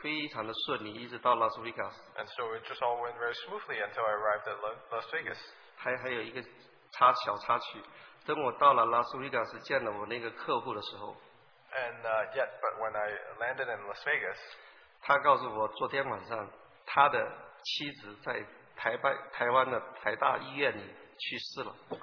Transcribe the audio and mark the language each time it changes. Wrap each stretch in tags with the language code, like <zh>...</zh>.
<zh>所以呢，这个就一路上呢，这行程是非常的顺利，一直到拉斯维加斯。</zh> <en>And so it just all went very smoothly until I arrived at Las Vegas.</en> <zh>还有一个小插曲，等我到了拉斯维加斯，见了我那个客户的时候。</zh> <en>And yet, but when I landed in Las Vegas,</en> <zh>他告诉我，昨天晚上他的妻子在台湾的台大医院里去世了。</zh>